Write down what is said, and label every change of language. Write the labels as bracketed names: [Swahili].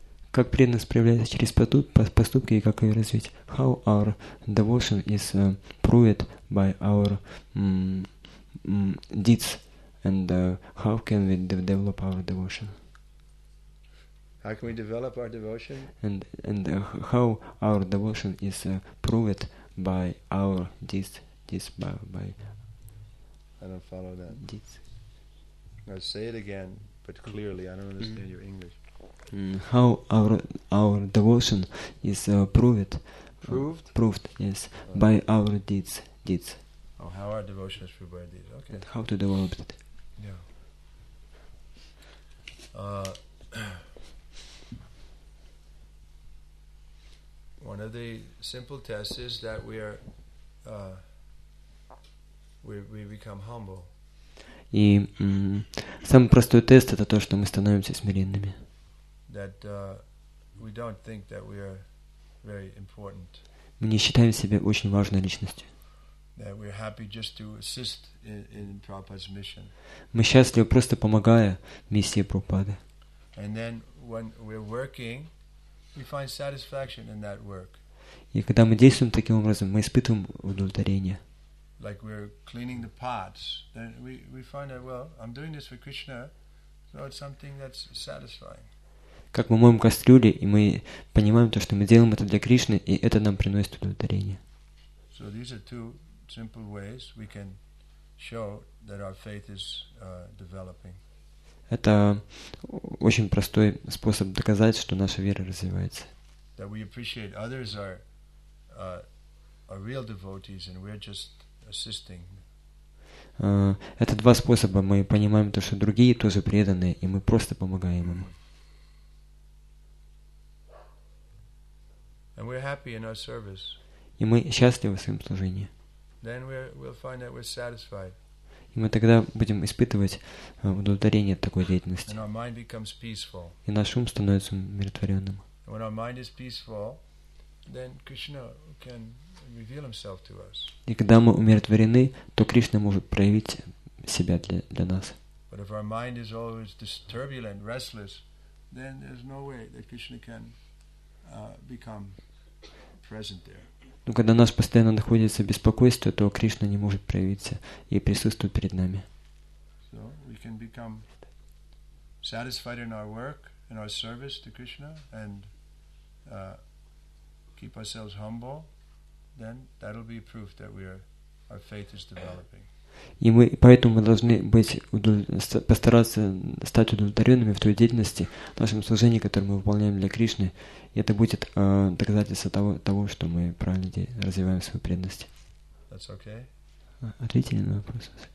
[Russian] Как преданность проявляется через поступки и как ее развить? [English] How our devotion is proved by our deeds and how can we develop our devotion? How can we develop our devotion? And how our devotion is proved by our deeds by. I don't follow that. Deeds. I'll say it again, but clearly. I don't understand your English. How our devotion is proved yes by our deeds. Oh, how our devotion is proved by our deeds. Okay. How to develop it? Yeah. One of the simple tests is that we are we become humble. [Russian] И самый простой тест это то, что мы становимся смиренными. [English] That we don't think that we are very important. [Russian] Мы не считаем себя очень важной личностью. [English] That we are happy just to assist in Prabhupada's mission. [Russian] Мы счастливы просто помогая миссии Прабхупады. [English] And then when we're working, we find satisfaction in that work. [Russian] И когда мы действуем таким образом, мы испытываем удовлетворение. [English] Like we're cleaning the pots, then we find that well, I'm doing this for Krishna, so it's something that's satisfying. [Russian] Как мы моем кастрюли, и мы понимаем то, что мы делаем это для Кришны, и это нам приносит удовлетворение. [English] So these are two simple ways we can show that our faith is developing. [Russian] Это очень простой способ доказать, что наша вера развивается. [English] That we appreciate others are real devotees, and we're just assisting. [Russian] Это два способа. Мы понимаем то, что другие тоже преданные, и мы просто помогаем им. [English] And we're happy in our service. [Russian] И мы счастливы в своем служении. [English] Then we'll find that we're satisfied. [Russian] И мы тогда будем испытывать удовлетворение от такой деятельности. [English] And our mind becomes peaceful. [Russian] И наш ум становится умиротворенным. [English] And when our mind is peaceful, then Krishna can reveal himself to us. [Russian] И когда мы умиротворены, то Кришна может проявить себя для нас. [English] But if our mind is always turbulent, restless, then there's no way that Krishna can become present there. [Russian] Но когда нас постоянно находится в беспокойстве, то Кришна не может проявиться и присутствовать перед нами. [English] So we can become satisfied in our work, in our service to Krishna, and keep ourselves humble. Then that'll be proof that our faith is developing. [Russian] И мы поэтому мы должны постараться стать удовлетворенными в той деятельности, в нашем служении, которое мы выполняем для Кришны. И это будет доказательство того, что мы правильно развиваем свою преданность. [English] That's okay. [Russian] Ответили на вопрос.